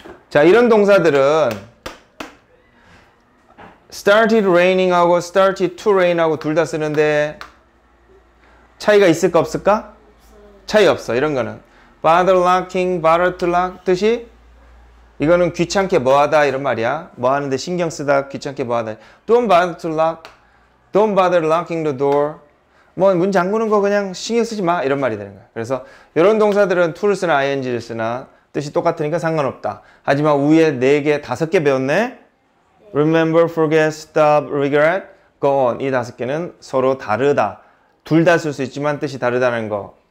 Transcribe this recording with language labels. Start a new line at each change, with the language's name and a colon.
Korean: 자, 이런 동사들은
English: started raining
Korean: 하고
English: started to rain
Korean: 하고 둘 다 쓰는데 차이가 있을까 없을까? 차이 없어. 이런 거는
English: bother locking, bother to lock
Korean: 뜻이 이거는 귀찮게 뭐하다 이런 말이야. 뭐하는데 신경 쓰다, 귀찮게 뭐하다.
English: don't bother to lock, don't bother locking the door.
Korean: 뭐 문 잠그는 거 그냥 신경 쓰지 마 이런 말이 되는 거야. 그래서 이런 동사들은 to를 쓰나 ing를 쓰나 뜻이 똑같으니까 상관없다. 하지만 위에 네 개, 다섯 개 배웠네.
English: remember, forget, stop, regret, go on.
Korean: 이 다섯 개는 서로 다르다. 둘 다 쓸 수 있지만 뜻이 다르다는 거.